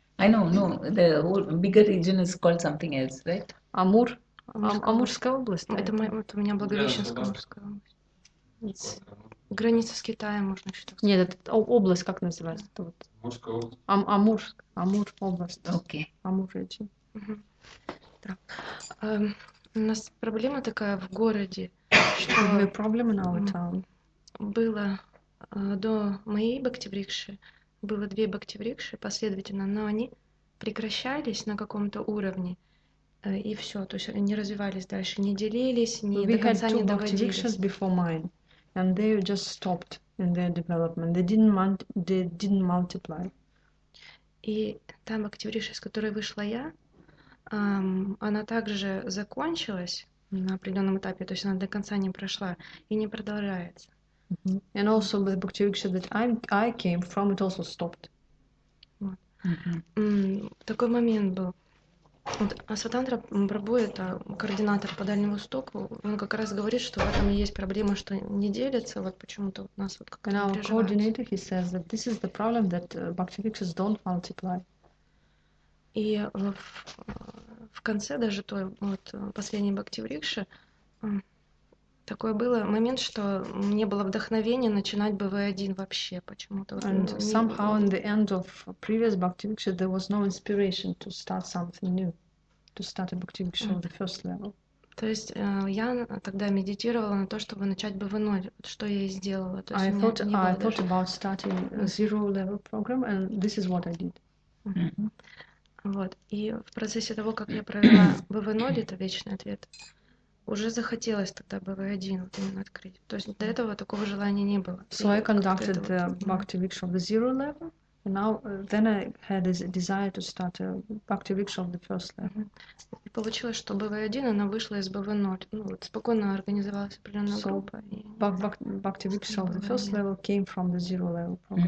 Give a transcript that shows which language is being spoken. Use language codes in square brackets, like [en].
[en] I know, no, the whole bigger region is called something else, right? [ru] Амур, Амурская область. Это у меня Благовещенск. Граница с Китаем, можно считать. Нет, это область, как называется? Это вот. Амур область. Окей. Амур регион. У нас проблема такая в городе, что было до моей бхакти-рикши, было две бхакти-рикши последовательно, но они прекращались на каком-то уровне. И все, то есть они не развивались дальше, не делились, не до конца не доводились. [en] And they just stopped in their development. They didn't multiply. [ru] И та бхакти-рикша, с которой вышла я, она также закончилась на определенном этапе, то есть она до конца не прошла и не продолжается. Mm-hmm. [en] And also the bhakti-rikshya that I came from, it also stopped. [ru] Вот. Mm-hmm. Такой момент был. Вот Асватантра Прабху, это координатор по Дальнему Востоку, он как раз говорит, что в этом и есть проблема, что не делятся, вот почему-то у нас вот как-то напряжается. [en] And our coordinator, he says that this is the problem that bhakti-rikshas don't multiply. [ru] И в конце даже той вот последней бхакти-рикши такое было момент, что не было вдохновения начинать БВ1 вообще почему-то. [en] And somehow in the end of previous bhakti-riksha there was no inspiration to start something new, to start a bhakti-riksha on the first level. [ru] То есть я тогда медитировала на то, чтобы начать БВ0, что я и сделала. То есть [en] I thought about starting a zero level program, and this is what I did. [ru] Вот. И в процессе того, как я провела БВ0, это вечный ответ. Уже захотелось тогда БВ1 вот именно открыть. То есть до этого такого желания не было. [en] So I conducted the bhakti-riksha of the zero level, and now then I had a desire to start a bhakti-riksha of the first level. [ru] И получилось, что БВ1 она вышла из БВ0. Ну вот спокойно организовалась определенная группа. [en] So bhakti-riksha of the first level came from the zero level.